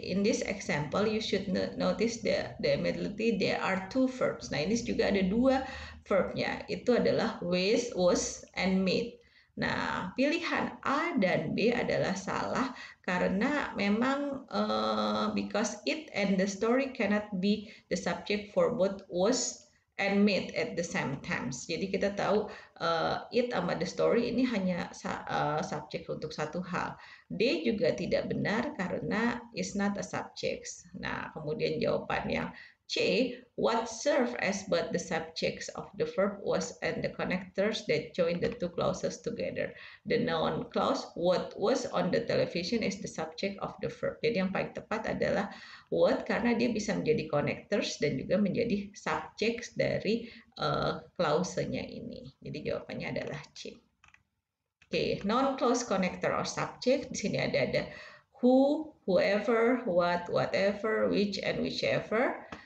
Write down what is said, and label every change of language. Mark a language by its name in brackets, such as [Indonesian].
[English] In this example, you should notice the immediately there are two verbs. [Indonesian] Nah, ini juga ada dua verbnya. Itu adalah was and made. Nah, pilihan A dan B adalah salah karena memang [English] because it and the story cannot be the subject for both was and made at the same times. [Indonesian] Jadi kita tahu it sama the story ini hanya subjek untuk satu hal. [English] They [Indonesian] juga tidak benar karena [English] is not a subjects. [Indonesian] Nah, kemudian jawaban yang [English] C, what serve as but the subjects of the verb was and the connectors that join the two clauses together. The noun clause, what was on the television is the subject of the verb. [Indonesian] Jadi yang paling tepat adalah what karena dia bisa menjadi connectors dan juga menjadi subjects dari clause-nya ini. Jadi jawabannya adalah C. [English] Oke, okay. Noun clause, connector, or subject. [Indonesian] Di sini ada who, whoever, what, whatever, which, and whichever.